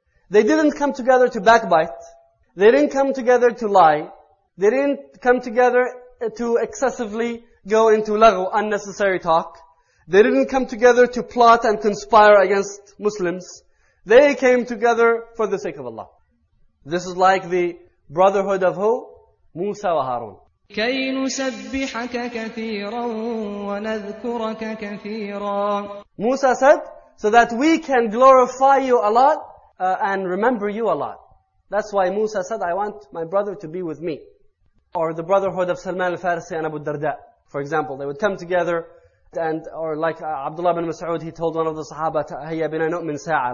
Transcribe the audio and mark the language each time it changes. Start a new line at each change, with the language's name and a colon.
English: They didn't come together to backbite. They didn't come together to lie. They didn't come together to excessively go into lagh, unnecessary talk. They didn't come together to plot and conspire against Muslims. They came together for the sake of Allah. This is like the brotherhood of who? Musa wa Harun.
Arabic: كَيْ نُسَبِّحَكَ كَثِيرًا وَنَذْكُرَكَ كَثِيرًا.
English: Musa said, so that we can glorify you a lot and remember you a lot. That's why Musa said, I want my brother to be with me. Or the brotherhood of Salman al-Farisi and Abu Darda. For example, they would come together and, or like Abdullah ibn Mas'ud, he told one of the Sahaba,
Arabic: هَيَّ بِنَا نُؤْمِنْ سَاعَةً.